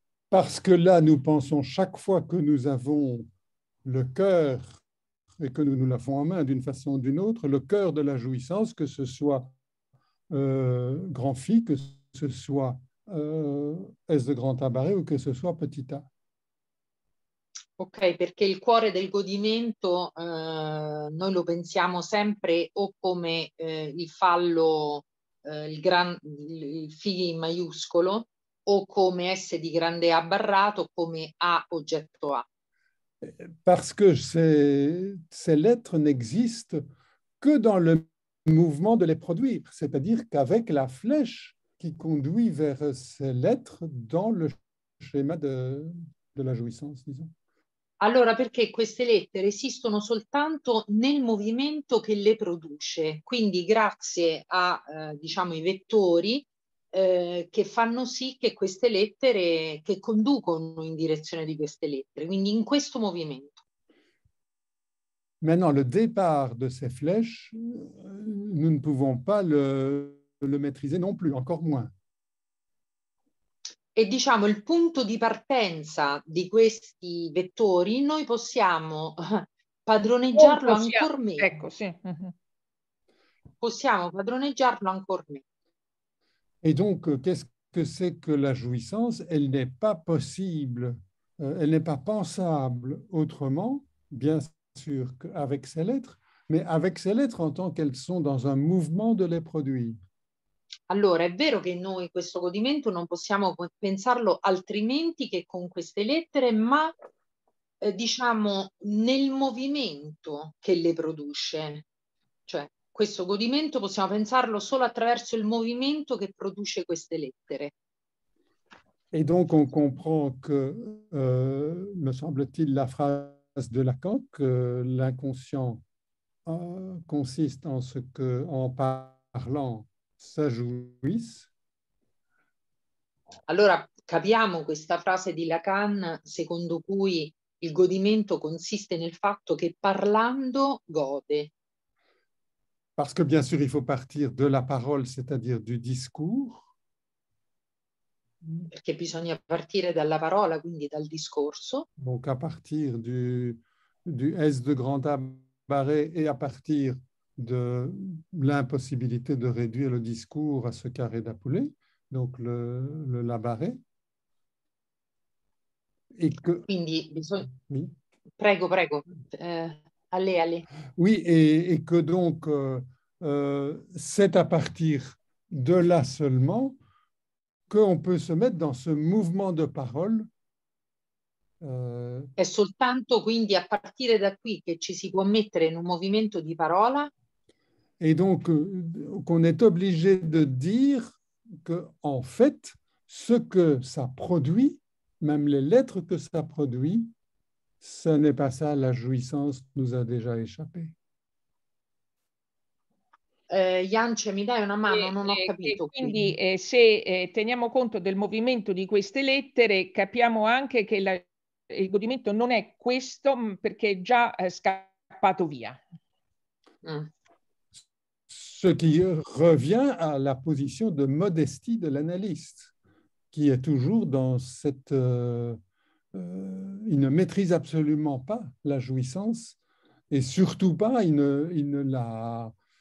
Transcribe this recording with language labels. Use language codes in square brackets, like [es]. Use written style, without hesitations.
[fr] Parce que là nous pensons chaque fois que nous avons le cœur et que nous nous l'avons en main d'une façon ou d'une autre, le cœur de la jouissance, que ce soit grand phi, que ce soit S de grand tabaret ou que ce soit petit a. [it] Ok, perché il cuore del godimento noi lo pensiamo sempre o come il fallo, il phi maiuscolo, o come S di grande A barrato, o come A oggetto A. [fr] Parce que ces lettres n'existent que dans le mouvement de les produire, c'est-à-dire qu'avec la flèche qui conduit vers ces lettres dans le schéma de la jouissance, disons. [it] Allora, perché queste lettere esistono soltanto nel movimento che le produce, quindi grazie a, diciamo, i vettori che fanno sì che queste lettere, che conducono in direzione di queste lettere, quindi in questo movimento. [fr] Maintenant, le départ de ces flèches, nous ne pouvons pas le maîtriser non plus, encore moins. [it] E diciamo, il punto di partenza di questi vettori, noi possiamo padroneggiarlo ancor meno. Ecco, sì. Possiamo padroneggiarlo ancor meno. [fr] Et donc, qu'est-ce que c'est que la jouissance? Elle n'est pas possible, elle n'est pas pensable autrement, bien sûr qu'avec ces lettres, mais avec ces lettres en tant qu'elles sont dans un mouvement de les produire. [it] Allora, è vero che noi questo godimento non possiamo pensarlo altrimenti che con queste lettere, ma diciamo nel movimento che le produce, cioè questo godimento possiamo pensarlo solo attraverso il movimento che produce queste lettere. [fr] Et donc on comprend que, me semble-t-il, la phrase de Lacan, que l'inconscient consiste en ce que, en parlant, s'ajouisse. [it] Allora, capiamo questa frase di Lacan, secondo cui il godimento consiste nel fatto che parlando gode. [fr] Parce que bien sûr il faut partir de la parole, c'est-à-dire du discours. [it] Perché bisogna partire dalla parola, quindi dal discorso. [fr] Donc à partir du S de grand A barré et à partir de l'impossibilité de réduire le discours à ce carré d'Apulée, donc le la barré. Et que. [it] Quindi, [fr] oui. [it] Prego, prego. [fr] Allez, allez. Oui, et que donc c'est à partir de là seulement qu'on peut se mettre dans ce mouvement de parole. [it] È soltanto quindi a partire da qui che ci si può mettere in un movimento di parola. [fr] Et donc qu'on est obligé de dire que en fait ce que ça produit, même les lettres que ça produit, ce n'est pas ça, la jouissance nous a déjà échappé. [it] Jance, mi dai una mano, non ho capito. Quindi se teniamo conto del movimento di queste lettere, capiamo anche che il godimento non è questo perché è già scappato via. [fr] Ce qui revient à la position de modestie de l'analyste, qui est toujours dans cette... il ne maîtrise absolument pas la jouissance, et surtout pas, il ne la...